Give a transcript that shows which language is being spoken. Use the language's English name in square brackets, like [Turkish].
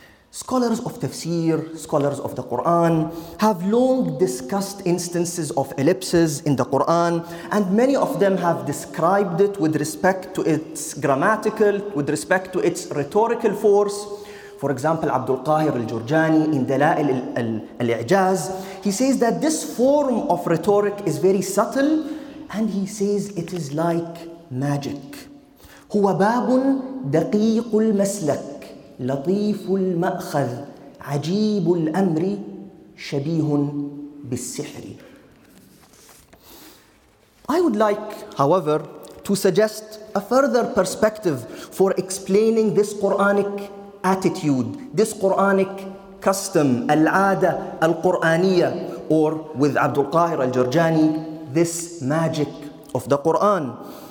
[English] Scholars of tafsir, scholars of the Quran, have long discussed instances of ellipses in the Quran, and many of them have described it with respect to its grammatical, with respect to its rhetorical force. For example, Abdul Qahir al-Jurjani in Dala'il al-I'jaz, he says that this form of rhetoric is very subtle, and he says it is like magic. [Arabic] هو باب دقيق المسلك لطيف المأخذ عجيب الأمر شبيه بالسحر. [English] I would like, however, to suggest a further perspective for explaining this Quranic attitude, this Quranic custom, al-ada al-Qur'aniya, or with Abdul Qahir al-Jurjani, this magic of the Quran.